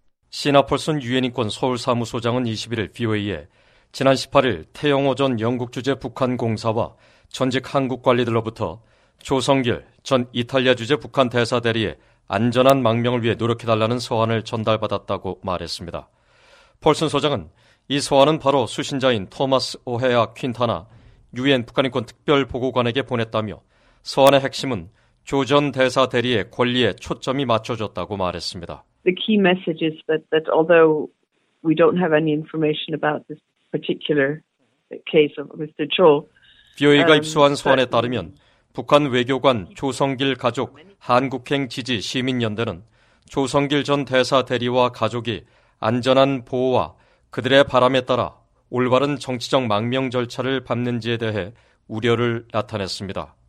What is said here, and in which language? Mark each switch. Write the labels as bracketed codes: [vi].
[ko] 시나폴슨 유엔인권 서울사무소장은 21일 VOA에 지난 18일 태영호 전 영국 주재 북한 공사와 전직 한국 관리들로부터 조성길 전 이탈리아 주재 북한 대사 대리의 안전한 망명을 위해 노력해달라는 서한을 전달받았다고 말했습니다. 폴슨 소장은 이 서한은 바로 수신자인 토마스 오헤아 퀸타나 유엔 북한인권 특별보고관에게 보냈다며 서한의 핵심은 조 전 대사 대리의 권리에 초점이 맞춰졌다고 말했습니다. [en] The key message is that although we don't have any information about this particular case of Mr. Cho, [ko] VOA가 입수한 서한에 따르면 북한 외교관 조성길 가족 한국행 지지 시민연대는 조성길 전 대사 대리와 가족이 안전한 보호와 그들의 바람에 따라 올바른 정치적 망명 절차를 밟는지에 대해 우려를 나타냈습니다.